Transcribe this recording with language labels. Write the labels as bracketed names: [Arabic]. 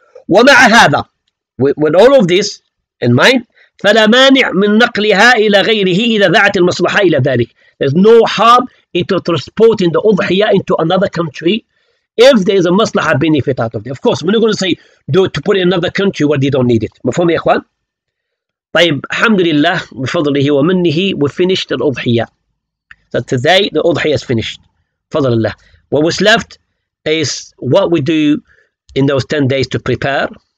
[Arabic] ومع هذا, [English] with all of this in mind, [Arabic] فلا مانع من نقلها إلى غيره إذا ذاعت المصلحة إلى ذلك. [English] There's no harm into transporting the أضحية into another country if there is a مصلحة benefit out of it. Of course, we're not going to say to put it in another country where they don't need it. [Arabic] مفهوم يا إخوان؟ طيب, الحمد لله بفضله ومنه, [English] we finished the [Arabic] أضحية. [English] That today the udhiyah is finished. Fadlallah. What was left is what we do in those 10 days to prepare.